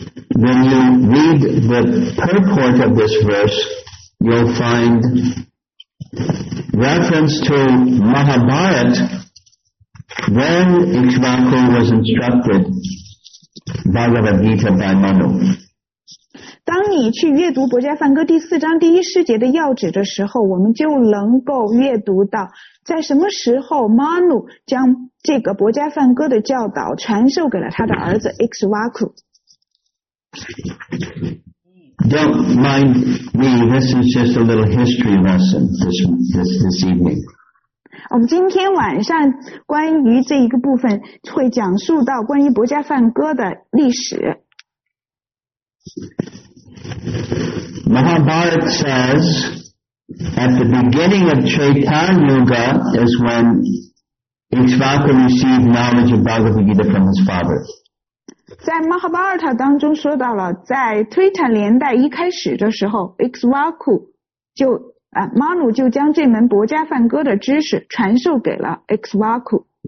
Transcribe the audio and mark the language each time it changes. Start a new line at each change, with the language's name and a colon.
English: When you read the purport of this verse, you'll find reference to Mahabharata when Ikshvaku was instructed Bhagavad Gita by Manu。
Chinese: 当你去阅读薄伽梵歌第四章第一师节的要旨的时候，我们就能够阅读到在什么时候 Manu 将这个薄伽梵歌的教导传授给了他的儿子 Ikshvaku。
English: Don't mind me, this is just a little history lesson this evening。
Chinese: 我们今天晚上关于这一个部分会讲述到关于薄伽梵歌的历史。
English: Mahabharata says at the beginning of Chaitanya Yuga is when Ikshvaku received knowledge of Bhagavad Gita from his father.
Chinese: 在 Mahabharata 当中说到了，在推坦年代一开始的时候， Ikshvaku Manu 就将这门薄伽梵歌的知识传授给了 Ikshvaku。